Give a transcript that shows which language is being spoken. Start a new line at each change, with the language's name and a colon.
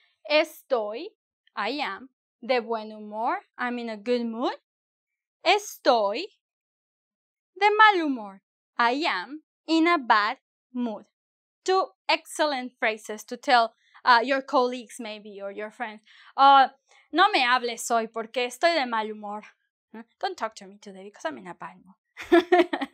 Spanish: Estoy,
English: I am,
Spanish: de buen humor.
English: I'm in a good mood.
Spanish: Estoy de mal humor.
English: I am in a bad mood. Two excellent phrases to tell your colleagues, maybe, or your friends.
Spanish: No me hables hoy porque estoy de mal humor.
English: Don't talk to me today because I'm in a bad mood.